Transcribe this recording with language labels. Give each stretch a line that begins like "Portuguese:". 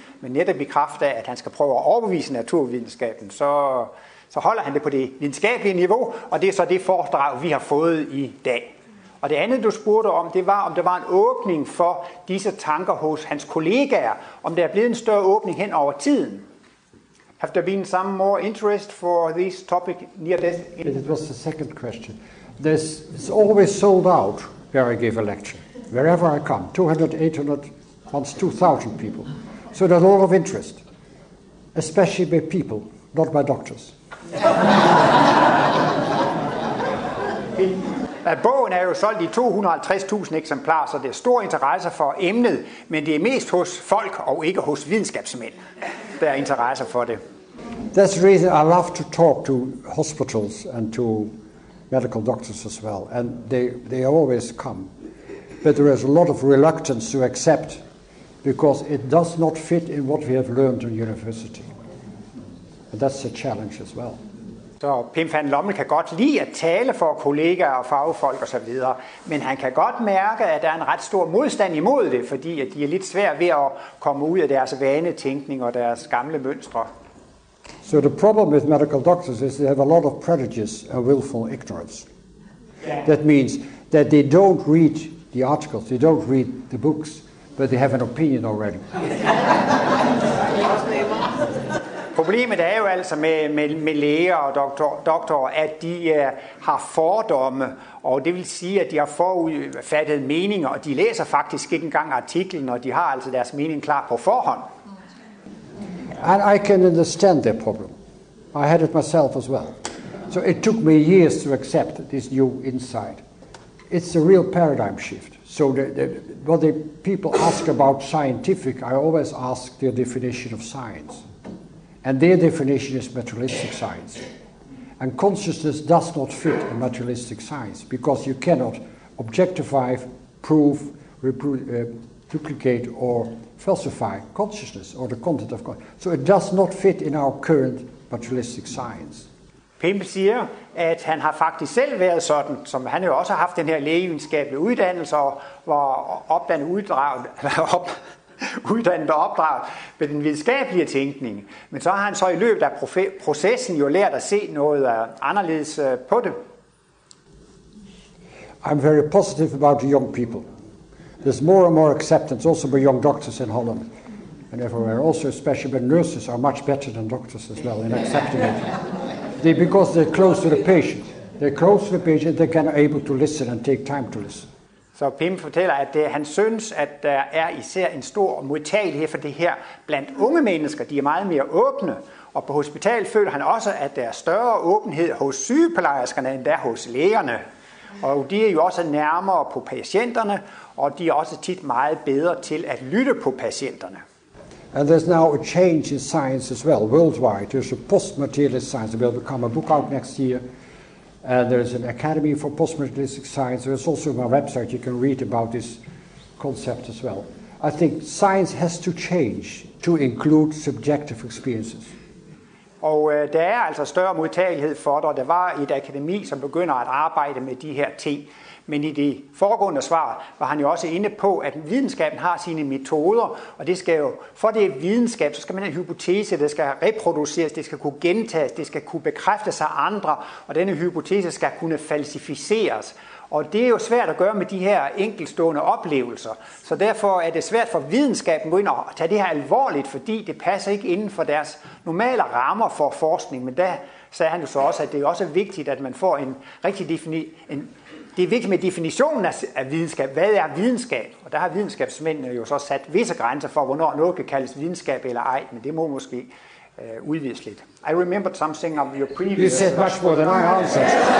Danish: men netop i kraft af, at han skal prøve at overbevise naturvidenskaben, så holder han det på det videnskabelige niveau, og det er så det foredrag, vi har fået i dag. Og det andet, du spurgte om, det var, om der var en åbning for disse tanker hos hans kollegaer, om der er blevet en større åbning hen over tiden.
English: Have there been some more interest for this topic near death? Yes, it was the second question. This is always sold out where I give a lecture, wherever I come, 200, 800, once 2,000 people. So there's a lot of interest, especially by people, not by doctors.
Danish: Bogen er jo solgt i 250.000 eksemplarer, så det er stor interesse for emnet, men det er mest hos folk og ikke hos videnskabsmænd, der er interesse for det.
English: That's the reason I love to talk to hospitals and to medical doctors as well, and they always come. But there is a lot of reluctance to accept, because it does not fit in what we have learned in university. And that's a challenge as well.
Danish: Så Pim van Lommel kan godt lide at tale for kollegaer og fagfolk osv., men han kan godt mærke, at der er en ret stor modstand imod det, fordi at de er lidt svære ved at komme ud af deres vanetænkning og deres gamle mønstre.
English: So the problem with medical doctors is they have a lot of prejudice and willful ignorance. That means that they don't read the articles, they don't read the books, but they have an opinion already.
Danish: Problemet er jo altså med læger og doktorer, at de har fordomme, og det vil sige, at de har forudfattet meninger, og de læser faktisk ikke engang artiklen, og de har altså deres mening klar på forhånd.
English: And I can understand their problem. I had it myself as well. So it took me years to accept this new insight. It's a real paradigm shift. So what the people ask about scientific, I always ask their definition of science. And their definition is materialistic science. And consciousness does not fit in materialistic science because you cannot objectify, prove, duplicate or falsify consciousness or the content of consciousness. So it does not fit in our current materialistic science.
Danish: Pim siger, at han har faktisk selv været sådan, som han jo også har haft den her lægevidenskabelige uddannelse og var uddannet og opdraget med den videnskabelige tænkning. Men så har han så i løbet af processen jo lært at se noget anderledes på det.
English: I'm very positive about the young people. There's more and more acceptance also by young doctors in Holland and everywhere. Also especially by nurses are much better than doctors as well in accepting it. Because they're close to the patient. They're close to the patient, they can able to listen and take time to listen.
Danish: Så Pim fortæller, at han synes, at der er især en stor modtagelighed for det her blandt unge mennesker. De er meget mere åbne, og på hospitalet føler han også, at der er større åbenhed hos sygeplejerskerne end der hos lægerne. Og de er jo også nærmere på patienterne, og de er også tit meget bedre til at lytte på patienterne.
English: And there's now a change in science as well, worldwide. There's a post-materialist science that will become a book out next year. And there's an academy for post-materialistic science. There's also my website. You can read about this concept as well. I think science has to change to include subjective experiences.
Danish: Og der er altså større modtagelighed for det, og der var et akademi, som begynder at arbejde med de her ting. Men i det foregående svar var han jo også inde på, at videnskaben har sine metoder, og det skal jo, for det er videnskab, så skal man have en hypotese, det skal reproduceres, det skal kunne gentages, det skal kunne bekræfte sig andre, og denne hypotese skal kunne falsificeres. Og det er jo svært at gøre med de her enkeltstående oplevelser. Så derfor er det svært for videnskaben at gå ind og tage det her alvorligt, fordi det passer ikke inden for deres normale rammer for forskning. Men der sagde han jo så også, at det er også vigtigt, at man får en rigtig det er vigtigt med definitionen af videnskab. Hvad er videnskab? Og der har videnskabsmændene jo så sat visse grænser for, hvornår noget kan kaldes videnskab eller ej, men det må måske udvides lidt.
English: I remembered something of your previous... You said much more than I answered.